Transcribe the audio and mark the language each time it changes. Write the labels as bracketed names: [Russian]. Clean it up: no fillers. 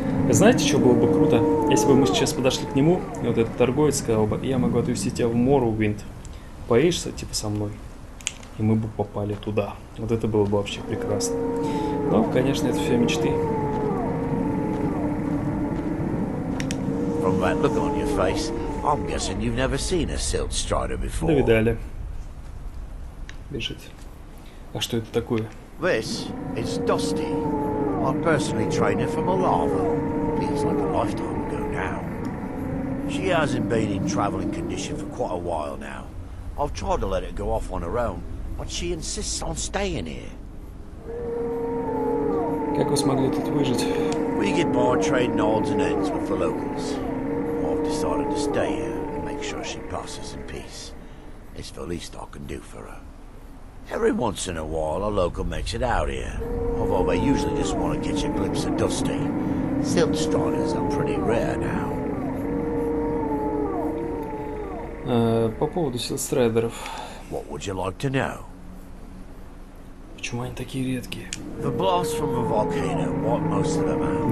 [Russian] Знаете, что было бы круто? Если бы мы сейчас подошли к нему, и вот этот торговец сказал бы, я могу отвезти тебя в Morrowind. Поедешься, типа, со мной? И мы бы попали туда. Вот это было бы вообще прекрасно. Но, конечно, это все мечты. [English] From that look on your face, I'm guessing you've never seen a silt strider before. [Russian] Довидали. Бежит. А что это такое? [English] This is Dusty. I personally trained her from a larva. Feels like a lifetime ago now. She hasn't been in traveling condition for quite a while now. I've tried to let her go off on her own, but she insists on staying here. [Russian] Как вы смогли тут выжить? [English] We get by trading odds and ends with the locals. I've decided to stay here and make sure she passes in peace. It's the least I can do for her. Every once in a while, a local makes it out here. Although they usually just want to catch a glimpse of Dusty. Silt striders are pretty rare now. [Russian] По поводу силт страйдеров. [English] What would you like to know? [Russian] Почему они такие редкие? [English] The blast from the volcano wiped most of them out.